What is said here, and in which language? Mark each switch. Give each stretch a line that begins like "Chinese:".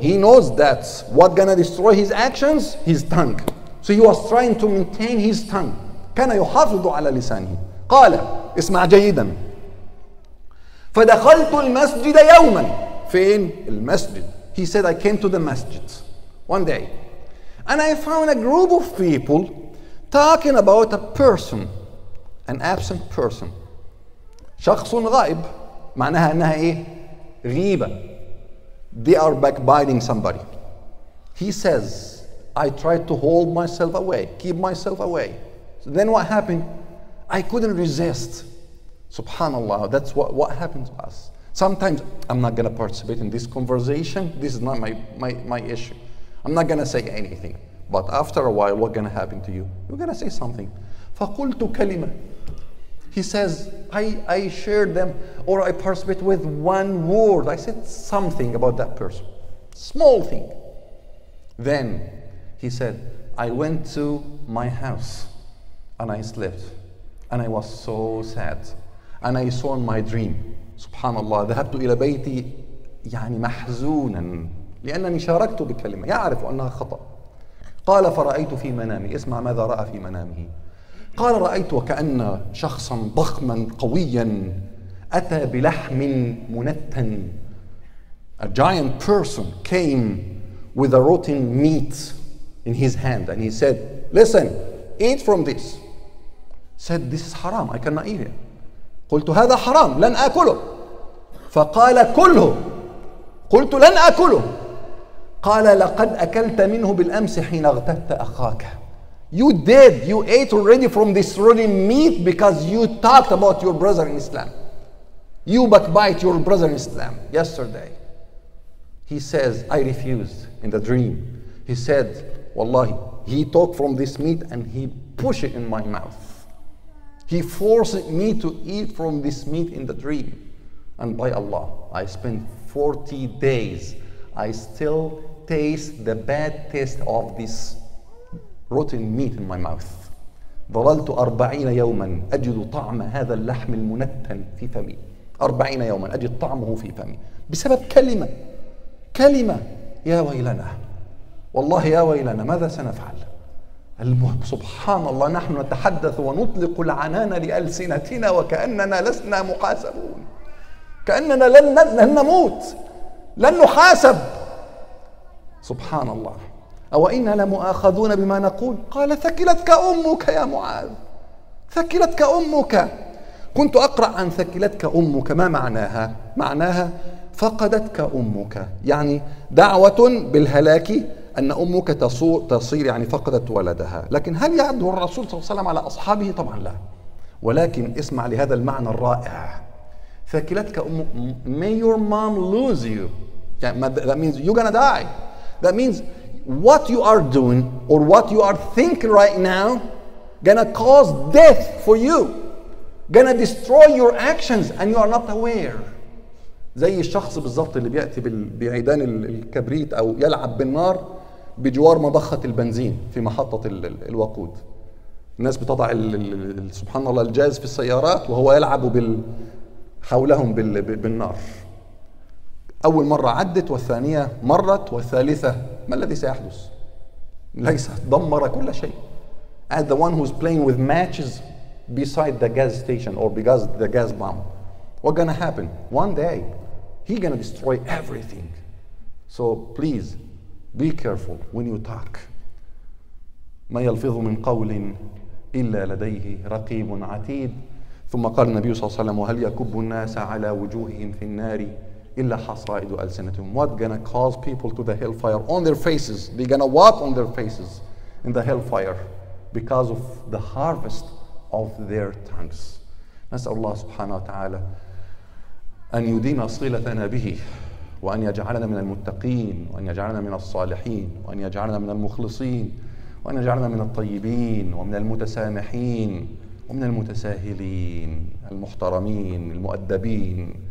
English: He knows that what gonna destroy his actions, his tongue. So he was trying to maintain his tongue.
Arabic: كان يحافظ على لسانه. قال، اسمع جيدا، فدخلت المسجد يوما. فين المسجد؟
English: He said, I came to the masjid one day and I found a group of people talking about a person, an absent person.
Arabic: شخص غائب معناها أنها إيه؟ غيبة.
English: They are backbiting somebody. He says, I tried to hold myself away, keep myself away. So then what happened? I couldn't resist. Subhanallah, that's what happened to us. Sometimes I'm not going to participate in this conversation. This is not my issue. I'm not going to say anything. But after a while, what's going to happen to you? You're going to say something.
Arabic: فَقُلْتُ كَلِمَةً.
English: He says, I shared them or I participate with one word. I said something about that person. Small thing. Then he said, I went to my house and I slept. And I was so sad. And I saw in my dream.
Arabic: سبحان الله، ذهبت إلى بيتي يعني محزونا لأنني شاركت بكلمة يعرف أنها خطأ. قال فرأيت في منامي، اسمع ماذا رأى في منامه. قال رأيت وكأن شخصا ضخما قويا أتى بلحم منتن.
English: A giant person came with a rotten meat in his hand and he said, listen, eat from this. Said, this is haram, I cannot eat it.
Arabic: قلت هذا حرام لن آكله. فقال كله. قلت لن أكله. قال لقد أكلت منه بالأمس حين اغتبت أخاك.
English: You did. You ate already from this rotten meat because you talked about your brother in Islam. You backbite your brother in Islam yesterday. He says, I refused in the dream. He said, Wallahi, he took from this meat and he pushed it in my mouth. He forced me to eat from this meat in the dream. And by Allah, I spent 40 days. I still taste the bad taste of this rotten meat in my mouth.
Arabic: ظللت 40 يوماً أجد طعم هذا اللحم المنتن في فمي. 40 يوماً أجد طعمه في فمي. بسبب كلمة. كلمة. يا ويلنا. والله يا ويلنا. ماذا سنفعل؟ المهم سبحان الله نحن نتحدث ونطلق العنان لألسنتنا وكأننا لسنا محاسبون. كأننا لن نموت، لن نحاسب. سبحان الله. أو إنا لمؤاخذون بما نقول. قال ثكلتك أمك يا معاذ. ثكلتك أمك. كنت أقرأ عن ثكلتك أمك، ما معناها؟ معناها فقدتك أمك، يعني دعوة بالهلاك أن أمك تصير يعني فقدت ولدها. لكن هل يعد الرسول صلى الله عليه وسلم على أصحابه؟ طبعا لا. ولكن اسمع لهذا المعنى الرائع، ثكلتك أمك،
English: may your mom lose you،
Arabic: يعني
English: that means you're gonna die. That means what you are doing or what you are thinking right now gonna cause death for you, gonna destroy your actions and you are not aware.
Arabic: زي الشخص بالضبط اللي بيأتي بعيدان الكبريت أو يلعب بالنار بجوار مضخة البنزين في محطة الوقود. الناس بتضع سبحان الله الجاز في السيارات وهو يلعب حولهم بالنار. أول مرة عدت والثانية مرت والثالثة، ما الذي سيحدث؟ ليس دمر كل شيء.
English: As the one who's playing with matches beside the gas station or because the gas bomb. What gonna happen? One day, he gonna destroy everything. So please, be careful when you talk.
Arabic: ما يلفظ من قول إلا لديه رقيب عتيد. ثم قال النبي صلى الله عليه وسلم: وهل يكب الناس على وجوههم في النار إلا حصائد ألسنتهم.
English: What gonna cause people to the hellfire on their faces? They gonna walk on their faces in the hellfire because of the harvest of their tongues.
Arabic: نسأل الله سبحانه وتعالى أن يديم صلتنا به وأن يجعلنا من المتقين وأن يجعلنا من الصالحين وأن يجعلنا من المخلصين وأن يجعلنا من الطيبين ومن المتسامحين ومن المتساهلين المحترمين المؤدبين.